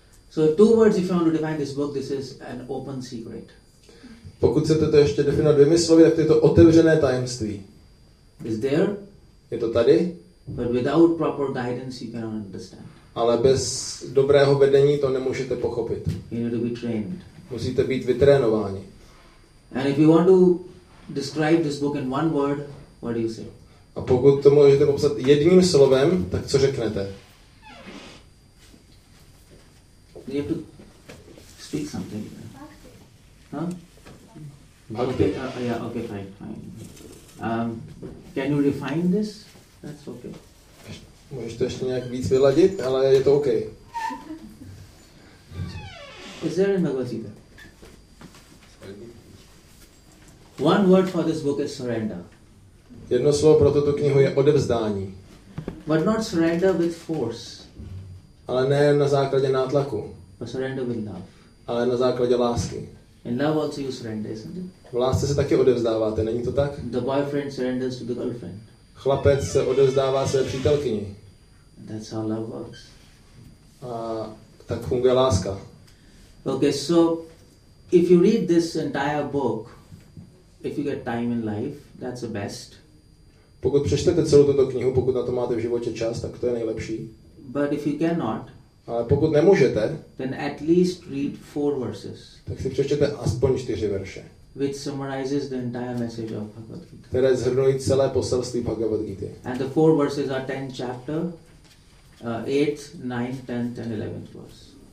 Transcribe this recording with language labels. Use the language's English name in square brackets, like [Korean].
[English] So two words, if you want to define this book, this is an open secret. [Czech] Pokud chcete to ještě definovat dvěmi slovy, tak to je to otevřené tajemství. [English] Is there? [Czech] Je to tady. [English] But without proper guidance, you cannot understand. [Czech] Ale bez dobrého vedení to nemůžete pochopit. [English] You need to be trained. [Czech] Musíte být vytrénováni. [English] And if you want to describe this book in one word, what do you say? [Czech] A pokud to můžete popsat jedním slovem, tak co řeknete? [English] You have to speak something. Huh? Bhakti. Okay, fine. Can you refine this? That's okay. [Czech] Můžeš to ještě nějak víc vyladit, ale je to OK. [English] Is there in Bhagavad Gita? One word for this book is surrender. [Czech] Jedno slovo pro tuto knihu je odevzdání. [English] But not surrender with force. [Czech] Ale ne na základě nátlaku. [English] But surrender with love. [Czech] Ale na základě lásky. [English] In love also you surrender, isn't it? [Czech] V lásce se taky odevzdáváte, není to tak? [English] The boyfriend surrenders to the girlfriend. [Czech] Chlapec se odevzdává své přítelkyni. [English] That's how love works. [Czech] A tak funguje láska. [English] Okay, so if you read this entire book, if you get time in life, that's the best. [Czech] Pokud přečtete celou tuto knihu, pokud na to máte v životě čas, tak to je nejlepší. [English] But if you cannot, [Czech] ale pokud nemůžete, [English] then at least read four verses. [Czech] Tak si přečtěte aspoň čtyři verše. [English] Which summarizes the entire message of Bhagavad Gita. [Czech] Které shrnují celé poselství Bhagavad Gita. [English] And the four verses are 10th chapter, 8th, 9th, 10th and 11th verse.